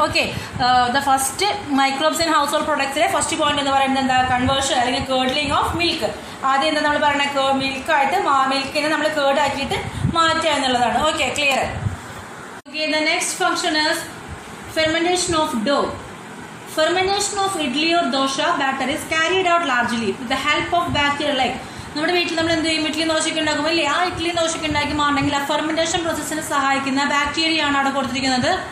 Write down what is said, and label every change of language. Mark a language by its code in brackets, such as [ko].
[en] okay, the first microbes in household പ്രൊഡക്ട്സിലെ first point [ml] എന്ന് പറയുന്നത് എന്താ? [en] Conversion അല്ലെങ്കിൽ curdling of milk. [ml] ആദ്യം എന്താ നമ്മൾ പറയുന്നത്? മിൽക്കായിട്ട് മിൽക്കിനെ നമ്മൾ കേർഡാക്കിയിട്ട് മാറ്റുക എന്നുള്ളതാണ്. Okay, clear. [en] Okay, the next function is fermentation of dough. Fermentation of idli or dosha batter is carried out largely with the help of bacteria like [ml] നമ്മുടെ വീട്ടിൽ നമ്മൾ എന്ത് ചെയ്യും? ഇഡ്ഡലി ദോശയ്ക്ക് ഉണ്ടാക്കും അല്ലേ. ആ ഇഡ്ഡലി ദോശയ്ക്ക് ഉണ്ടാക്കി മാറണമെങ്കിൽ ആ ഫെർമെൻറ്റേഷൻ പ്രോസസ്സിന് സഹായിക്കുന്ന ബാക്ടീരിയ ആണ് അവിടെ കൊടുത്തിരിക്കുന്നത്.